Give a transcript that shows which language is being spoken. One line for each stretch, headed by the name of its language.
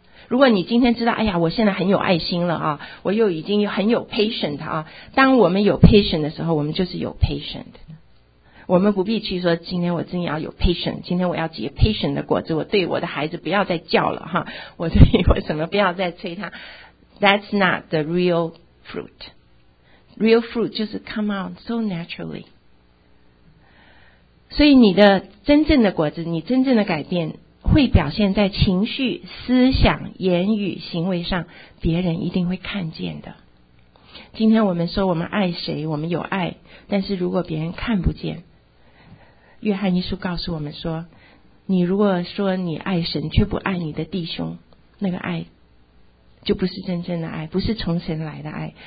Chinese: 如果你今天知道，哎呀，我现在很有爱心了啊，我又已经很有 patient 啊。当我们有 patient 的时候，我们就是有 patient。我们不必去说，今天我真要有 patient， 今天我要结 patient 的果子，我对我的孩子不要再叫了哈，我对我什么不要再催他。
English: That's not the real fruit. Real fruit 就是 come out so naturally。
Chinese: 所以你的真正的果子，你真正的改变，会表现在情绪、思想、言语、行为上，别人一定会看见的。今天我们说我们爱谁，我们有爱，但是如果别人看不见，约翰一书告诉我们说，你如果说你爱神却不爱你的弟兄，那个爱就不是真正的爱，不是从神来的爱。